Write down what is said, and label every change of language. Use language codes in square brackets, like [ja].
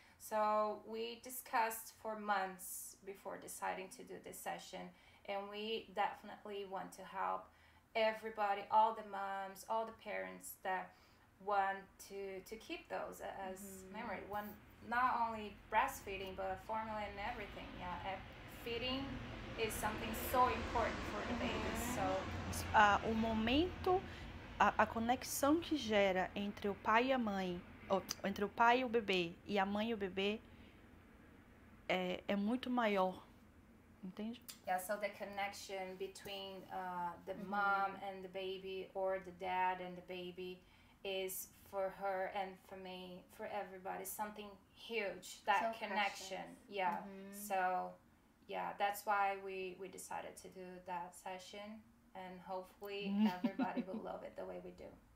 [en] So we discussed for months before deciding to do this session, and we definitely want to help everybody, all the moms, all the parents that want to keep those as memory. One, not only breastfeeding, but formula and everything. Yeah, feeding is something so important for the baby. So, [pt] O momento, a conexão que gera entre o pai e a mãe, ou entre o pai e o bebê, e a mãe e o bebê, é muito maior. Entende? [en] Yeah, so the connection between the mom and the baby, or the dad and the baby, is for her and for me, for everybody, something huge, that so connection. Precious. Yeah. Mm-hmm. So, yeah, that's why we decided to do that session, and hopefully everybody will love it the way we do.